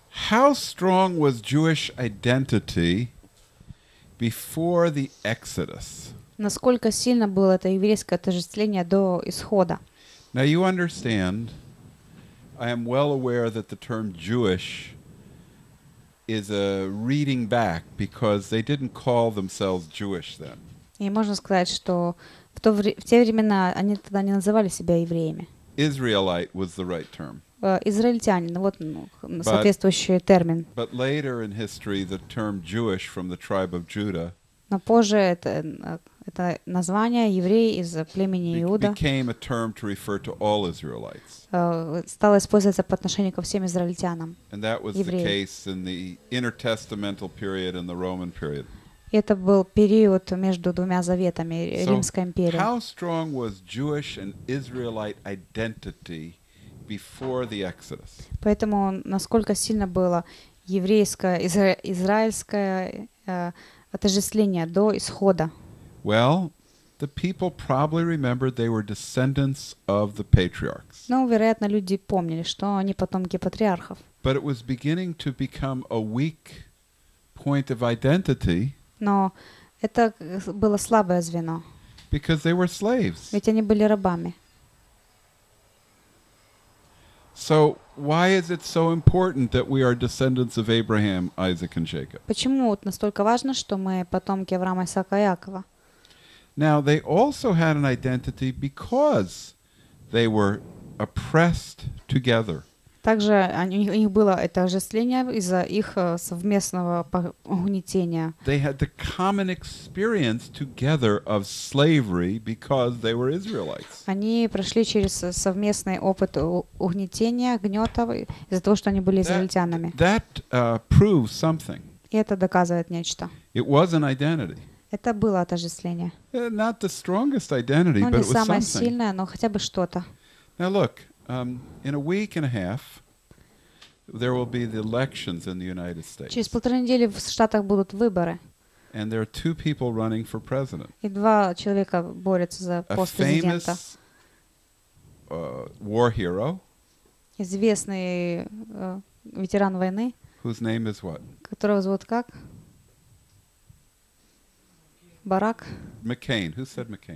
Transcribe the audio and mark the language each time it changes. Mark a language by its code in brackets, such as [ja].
[en] How strong was Jewish identity before the Exodus? [ru] Насколько сильно было это еврейское отождествление до исхода? [en] Now you understand, I am well aware that the term Jewish is a reading back because they didn't call themselves Jewish then. [ru] И можно сказать, что в те времена они тогда не называли себя евреями. [en] Israelite was the right term. [ru] Израильтянин, вот соответствующий термин. [en] But later in history, the term Jewish from the tribe of Judah. [ru] Но позже это название евреи из племени Иуда. [en] Became a term to refer to all Israelites. [ru] Стало использоваться по отношению ко всем израильтянам. [en] And that was the case in the intertestamental period and the Roman period. [ru] Это был период между двумя заветами Римской империи. [en] So, how strong was Jewish and Israelite identity before the Exodus? [ru] Поэтому насколько сильно было еврейское израильское отождествление до исхода? [en] Well, the people probably remembered they were descendants of the patriarchs. [ru] Ну, вероятно, люди помнили, что они потомки патриархов. [en] But it was beginning to become a weak point of identity. [ru] Но это было слабое звено. [en] Because they were slaves. [ru] Ведь они были рабами. [en] So why is it so important that we are descendants of Abraham, Isaac, and Jacob? [ru] Почему настолько важно, что мы потомки Авраама, Исаака и Иакова? [en] Now they also had an identity because they were oppressed together. [ru] Также у них было это ожесточение из-за их совместного угнетения. [en] They had the common experience together of slavery because they were Israelites. [ru] Они прошли через совместный опыт угнетения, гнета из-за того, что они были израильтянами. [en] That proves something. [ru] И это доказывает нечто. [en] It was an identity. [ru] Это было отождествление. [en] Not the strongest identity, [ru] но [en] but it was something. [ru] Не самое сильное, но хотя бы что-то. [en] Now look. In a week and a half, there will be the elections in the United States. [ru] Через полторы недели в Штатах будут выборы. [en] And there are two people running for president. [ru] И два человека борются за пост президента. [en] A famous war hero. [ru] Известный ветеран войны. [en] Whose name is what? [ru] Которого зовут как? Барак. [en] McCain. Who said McCain?